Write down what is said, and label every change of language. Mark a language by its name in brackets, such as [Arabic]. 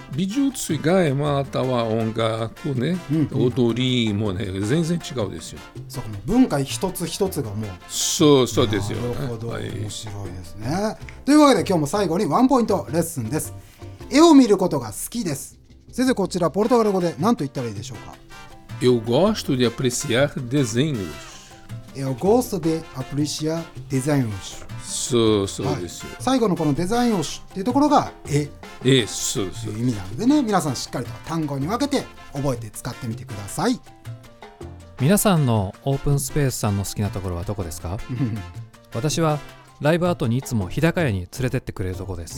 [Japanese] 美術以外もまたは音楽ね、踊りもね全然違うですよ。そう、文化一つ一つがもう、そうですよ、ね、なるほど、はい、面白いですね。というわけで今日も最後にワンポイントレッスンです。絵を見ることが好きです。先生、こちらポルトガル語で何と言ったらいいでしょうか。 [Portuguese] Eu gosto de apreciar desenhos. Eu gosto de apreciar desenhos. [Japanese] そうですよ、はい、最後のこのデザインをっていうところが絵、そう意味なのでね、皆さんしっかりと単語に分けて覚えて使ってみてください。皆さんのオープンスペースさんの好きなところはどこですか。私はライブ後にいつも日高屋に連れてってくれるとこです。